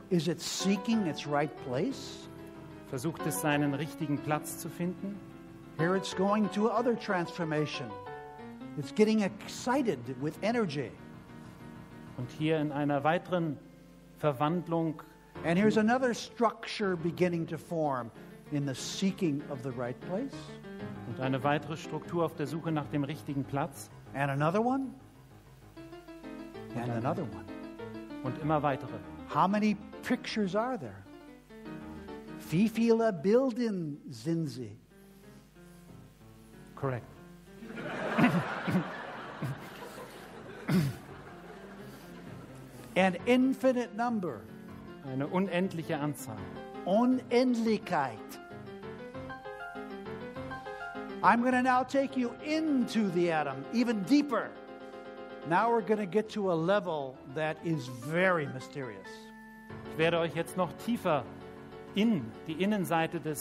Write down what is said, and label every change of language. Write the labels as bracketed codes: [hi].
[en] Is it seeking its right place? [de] Versucht es seinen richtigen Platz zu finden? [en] Here it's going to other transformation. It's getting excited with energy. [de] Und hier in einer weiteren Verwandlung. [en] And here's another structure beginning to form in the seeking of the right place. [de] Und eine weitere Struktur auf der Suche nach dem richtigen Platz. [en] And another one. And another one. [de] Und immer weitere. [en] How many pictures are there? [de] Wie viele Bilder sind sie? [en] Correct. An infinite number. [de] Eine unendliche Anzahl. Unendlichkeit. [en] I'm going to now take you into the atom, even deeper. Now we're going to get to a level that is very mysterious. [de] Ich werde euch jetzt noch tiefer in die Innenseite des